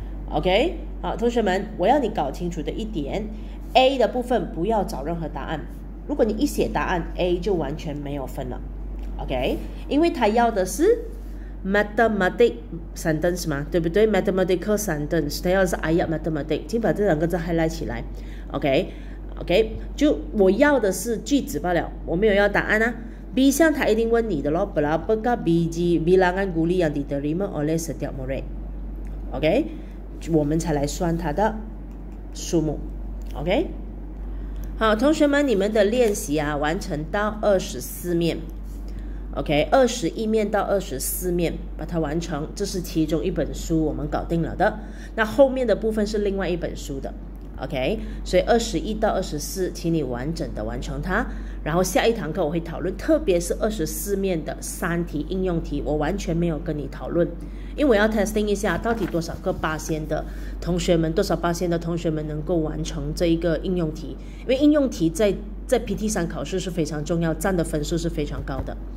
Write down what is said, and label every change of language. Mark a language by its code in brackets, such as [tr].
[zh] OK， 好，同学们，我要你搞清楚的一点， A 的部分不要找任何答案，如果你一写答案 A 就完全没有分了。 OK， 因为他要的是 mathematic sentence 嘛，对不对？ mathematical sentence， 他要的是 ayat mathematic， 请把这两个字 highlight 起来。 OK， OK， 就我要的是句子罢了，我没有要答案啊。 B 项他一定问你的咯， [ms] berapakah biji bilangan guli yang diterima oleh setiap murid， [zh] OK， 我们才来算他的数目。 OK， 好，同学们，你们的练习啊完成到24面， OK， 21面到24面把它完成，这是其中一本书我们搞定了的，那后面的部分是另外一本书的。 OK， 所以21到24请你完整的完成它，然后下一堂课我会讨论，特别是24面的三题应用题我完全没有跟你讨论，因为我要 testing 一下到底多少个%的同学们，多少%的同学们能够完成这一个应用题，因为应用题 在 PT3 考试是非常重要，占的分数是非常高的。